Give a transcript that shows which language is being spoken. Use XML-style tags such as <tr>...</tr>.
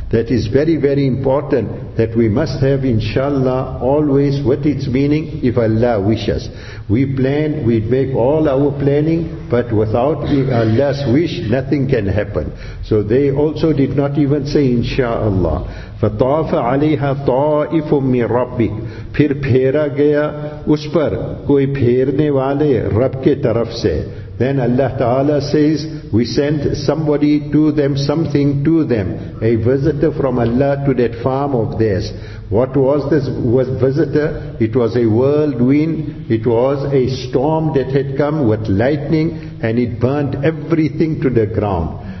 <en>That is very, very important, that we must have inshaAllah always what its meaning, if Allah wishes. We plan, we make all our planning, but without Allah's wish, nothing can happen. So they also did not even say inshaAllah.</en> <ar>Allah. فَطَافَ عَلَيْهَا طَائِفٌ مِّن رَبِّكَ.</ar> <ur>پھر پھیرا گیا اس پر کوئی پھیرنے والے رب کے طرف سے.</ur> <en>Then Allah Ta'ala says, we sent somebody to them, something to them, a visitor from Allah to that farm of theirs. What was this visitor? It was a whirlwind, it was a storm that had come with lightning, and it burnt everything to the ground.</en>